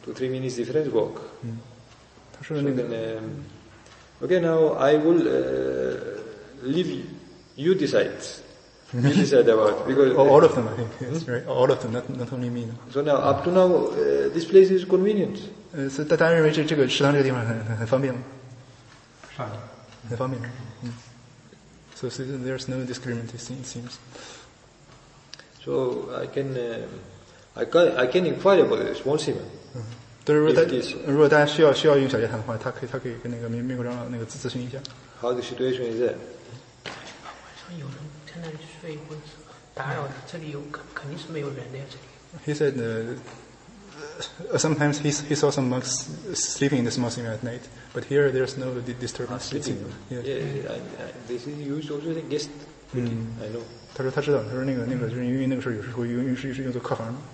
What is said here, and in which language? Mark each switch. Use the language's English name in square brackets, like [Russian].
[English] 2-3 minutes difference walk. Mm-hmm. So then, okay, now I will leave you. You decide. You decide about because all of them, I think. Yes, right. All of them, not only me. So now, up to now, this place is convenient. So, [Chinese] 大家认为这个食堂这个地方很方便吗？是啊，很方便。嗯。 [English] So there's no discrimination, it seems. So I can. I can inquire about this small sima. [Chinese] 对，如果大家需要用小戒坛的话，他可以跟那个民国长老那个咨询一下。 [English] How the situation is there? [Chinese] 晚上有人在那里睡会打扰的，这里肯定是没有人的呀，这里。 [English] He said, sometimes he saw some monks sleeping in the small sima at night, but here there's no disturbance. Sleeping. Yeah. This is used also as a guest. I know. [Chinese] 他说他知道，他说那个就是因为那个时候有时候用是用作客房的。